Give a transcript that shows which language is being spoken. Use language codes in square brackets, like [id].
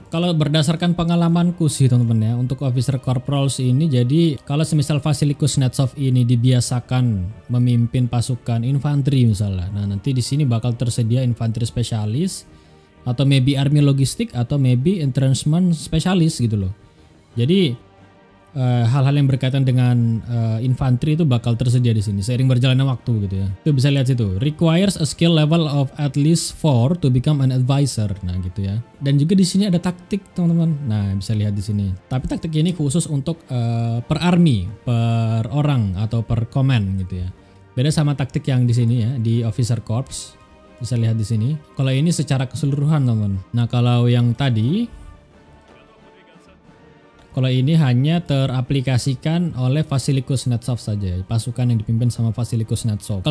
[id] Kalau berdasarkan pengalamanku sih teman-teman ya, untuk officer corp roles ini, jadi kalau semisal facility net soft ini dibiasakan memimpin pasukan infanteri misalnya. Nah, nanti di sini bakal tersedia infanteri spesialis atau maybe army logistik atau maybe entrenchment spesialis gitu loh. Jadi hal-hal yang berkaitan dengan infanteri itu bakal tersedia di sini seiring berjalannya waktu gitu ya. Itu bisa lihat situ. [en] Requires a skill level of at least 4 to become an advisor. [id] Nah, gitu ya. Dan juga di sini ada taktik, teman-teman. Nah, bisa lihat di sini. Tapi taktik ini khusus untuk per army, per orang atau per command gitu ya. Beda sama taktik yang di sini ya, di officer corps. Bisa lihat di sini. Kalau ini secara keseluruhan, teman-teman. Nah, kalau yang tadi, kalau ini hanya teraplikasikan oleh Vasilikus Netsov saja, pasukan yang dipimpin sama Vasilikus Netsov.